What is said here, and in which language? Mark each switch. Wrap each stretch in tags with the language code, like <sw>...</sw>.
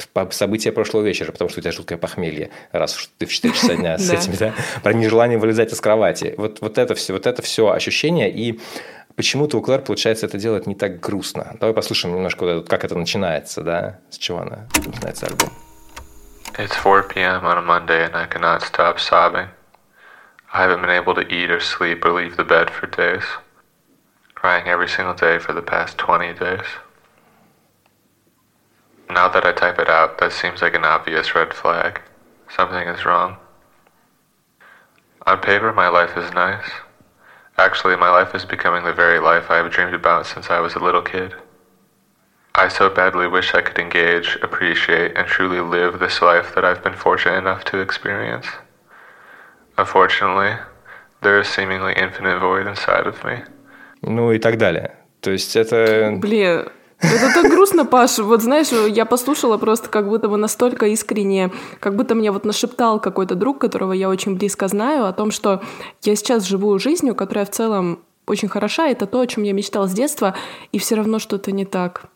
<ru>события прошлого вечера, потому что у тебя жуткое похмелье, раз уж ты в 4 часа дня с этим, да, про нежелание вылезать из кровати. Вот это все ощущение, и почему-то у Клэр получается это делать не так грустно. Давай послушаем немножко, как это начинается, да, с чего она начинается альбом.</ru> <en>It's 4 p.m. on a Monday, and I cannot stop sobbing. I haven't been able to eat or sleep or leave the bed for days. Crying every single day for the past 20 days. Now that I type it out, that seems like an obvious red flag. Something is wrong. On paper, my life is nice. Actually, my life is becoming the very life I have dreamed about since I was a little kid. I so badly wish I could engage, appreciate, and truly live this life that I've been fortunate enough to experience. Unfortunately, there is seemingly infinite void inside of me.</en> <ru>Ну и так далее. То есть это... Блин... Это так грустно, Паш. Вот знаешь, я послушала просто как будто бы настолько искренне, как будто мне вот нашептал какой-то друг, которого я очень близко знаю, о том, что я сейчас живу жизнью, которая в целом очень хороша, это то, о чем я мечтала с детства, и все равно что-то не так.</ru>